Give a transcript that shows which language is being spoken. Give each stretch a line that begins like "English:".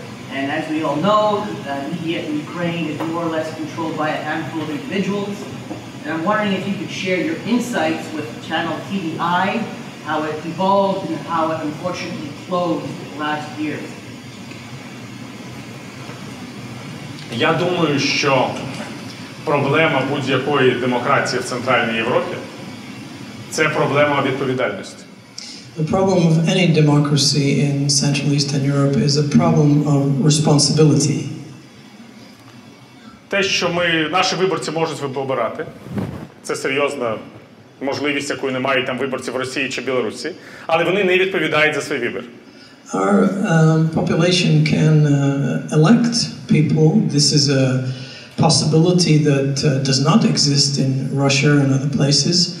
English: And as we all know, the media in Ukraine is more or less controlled by a handful of individuals. And I'm wondering if you could share your insights with Channel TVI, how it evolved and how it unfortunately closed last year.
Ukrainian: Я думаю, що проблема будь-якої демократії в Центральній Європі – це проблема відповідальності.
English: The problem of any democracy in Central Eastern Europe is a problem of responsibility.
Ukrainian: Те, що наші виборці можуть вибирати, це серйозна можливість, якої не мають там виборці в Росії чи Білорусі, але вони не відповідають за свій вибір.
English: Our population can elect people. This is a possibility that does not exist in Russia and other places.